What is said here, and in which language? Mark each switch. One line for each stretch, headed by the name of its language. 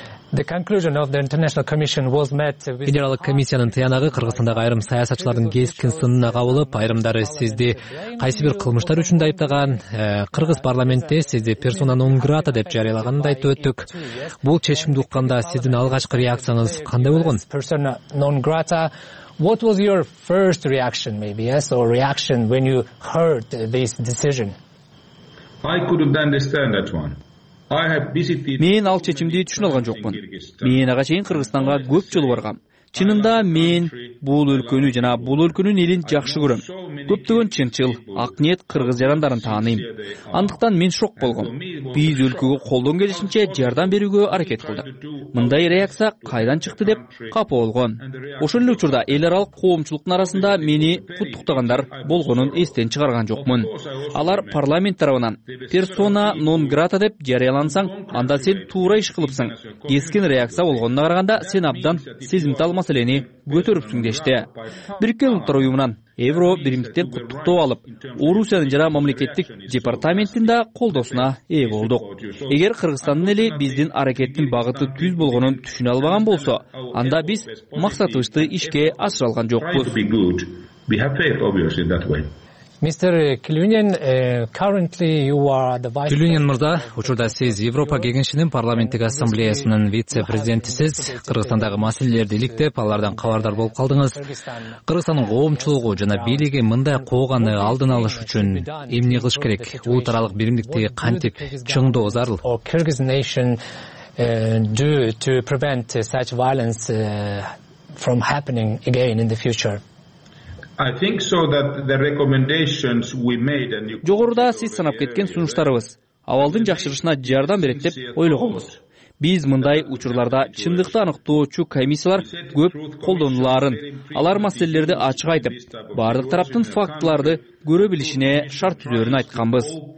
English: The conclusion of the International Commission was met with...
Kyrgyz: Федералдык комиссиянын тыянагы Кыргызстандагы айрым саясатчылардын кескин сынына кабылып, айрымдары сизди кайсы бир кылмыштар үчүн да айыптаган, Кыргыз парламентте сизди персона нон грата деп жарыялаганын да айтып өттүк. Бул чечимди укканда сиздин алгачкы реакцияңыз кандай болгон?
Latin: Persona non grata.
English: What was your first reaction, maybe, yes, or reaction when you heard this decision? I couldn't understand that one.
Kyrgyz: Мен ал чечимди түшүнө алган жокмун. Мен ага чейин Кыргызстанга көп жолу баргам. Чынында мен бул өлкөнү жана бул өлкөнүн элин жакшы көрөм. Көптөгөн чынчыл, ак ниет кыргыз жарандарын тааныйм. Андыктан мен шок болгом. Биз өлкөгө колдон келишинче жардам берүүгө аракет кылдык. Мындай реакция кайдан чыкты деп капа болгон. Ошол эле учурда эл аралык коомчулуктун арасында мени куттуктагандар болгонун эстен чыгарган жокмун. Алар парламент тарабынан персона нон грата деп жарыялансаң, анда сен туура иш кылыпсың. Кескин реакция болгонуна караганда сен абдан сезим ал маселени көтөрүпсүң дешти. Бириккен улуттар уюмунан Евро биримдиктен куттуктоо алып, Орусиянын жана мамлекеттик департаментин да колдоосуна ээ болдук. Эгер Кыргызстандын эли биздин аракеттин багыты түз болгонун түшүнө албаган болсо, анда биз максатыбызды ишке ашыра алган жокпуз.
English: Mr. Kilunian, currently you are the vice.
Kyrgyz: Kilunian мырза, учурда сиз Европа кеңешинин парламенттик ассамблеясынын вице-президентисиз. Кыргызстандагы маселелерди иликтеп, алардан кабардар болуп калдыңыз. Кыргызстандын коомчулугу жана бийлиги мындай кооганы алдын алыш үчүн эмне кылыш керек? Улутаралык биримдикти кантип чыңдоо зарыл?
English: Kyrgyz nation to prevent such violence from happening again in the future. I think so that the recommendations we made and you
Kyrgyz: жогоруда сиз санап кеткен сунуштарыбыз абалдын жакшырышына жардам берет деп ойлогонбуз. Биз мындай учурларда чындыкты аныктоочу комиссиялар көп колдонуларын, алар маселелерди ачык айтып, бардык тараптын фактыларды көрө билишине шарт түзөрүн айтканбыз.